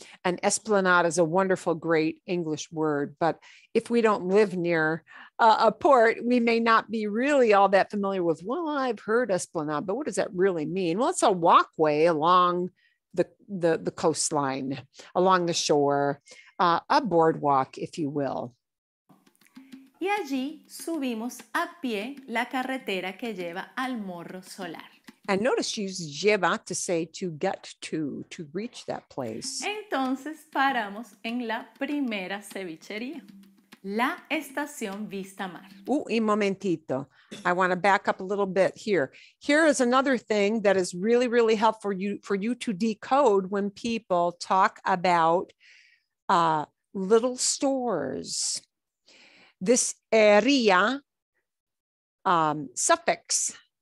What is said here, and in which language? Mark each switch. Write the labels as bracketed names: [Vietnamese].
[English] And esplanade is a wonderful, great English word. But if we don't live near a port, we may not be really all that familiar with, well, I've heard esplanade, but what does that really mean? Well, it's a walkway along the coastline, along the shore. A boardwalk, if you will. [Spanish] y allí subimos a pie la carretera que lleva al Morro Solar. [English] And notice she uses lleva to say to get to reach that place. [Spanish] Entonces paramos en la primera cevichería, la Estación Vista Mar. Y momentito. [English] I want to back up a little bit here. Here is another thing that is really, really helpful for you to decode when people talk about little stores. This area suffix.